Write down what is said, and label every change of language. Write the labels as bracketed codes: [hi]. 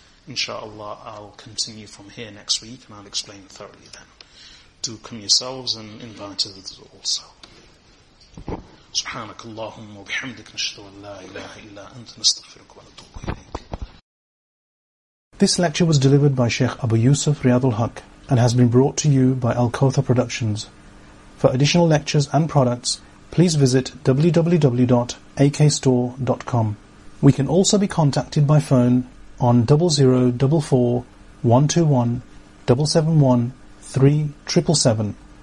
[en] Inshallah, I'll continue from here next week and I'll explain thoroughly then. Do come yourselves and invite others also. [ar] سبحانك اللهم وبحمدك نشهد أن لا إله إلا أنت نستغفرك ونتوب إليك. [en] This lecture was delivered by Sheikh Abu Yusuf Riyad al-Haq and has been brought to you by Al-Kawthar Productions. For additional lectures and products, please visit www.akstore.com. We can also be contacted by phone on 0044 121 771 3777